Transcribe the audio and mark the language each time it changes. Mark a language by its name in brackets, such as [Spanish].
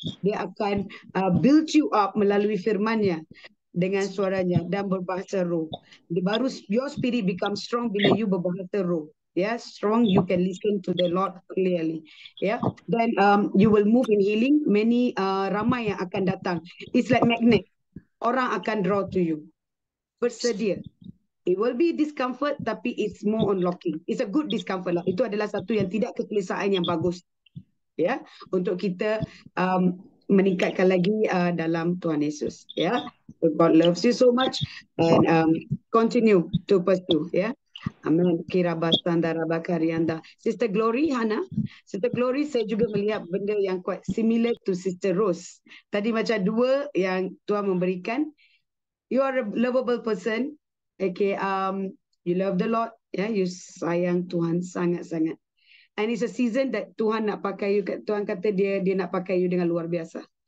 [Malay] Dia akan [English] build you up [Malay] melalui firman-Nya dengan suaranya dan berbahasa roh. Baru [English] your spirit become strong [Malay] bila [English] you [Malay] berbahasa roh. [English] Yeah, strong, you can listen to the Lord clearly. Yeah, then you will move in healing. Many [Malay] ramai yang akan datang. [English] It's like magnet. [Malay] Orang akan [English] draw to you. [Malay] Bersedia. [English] It will be discomfort, [Malay] tapi [English] it's more unlocking. It's a good discomfort lah. [Malay] Itu adalah satu yang tidak kesulitan, yang bagus. Yeah, untuk kita meningkatkan lagi dalam Tuhan Yesus. [English] Yeah, so God loves you so much, and continue to pursue. Yeah. Amin. Kira bastanda rabakarianda. Sister Glory, Hana. [Malay] Sister Glory, saya juga melihat benda yang [English] quite similar to [Malay] Sister Rose. Tadi macam dua yang Tuhan memberikan. [English] You are a lovable person. Okay, you love the Lord. Yeah, you [Malay] sayang Tuhan sangat-sangat. [English] And it's a season that Tuhan [Malay] nak pakai [English] you. [Malay] Tuhan kata dia nak pakai you dengan luar biasa.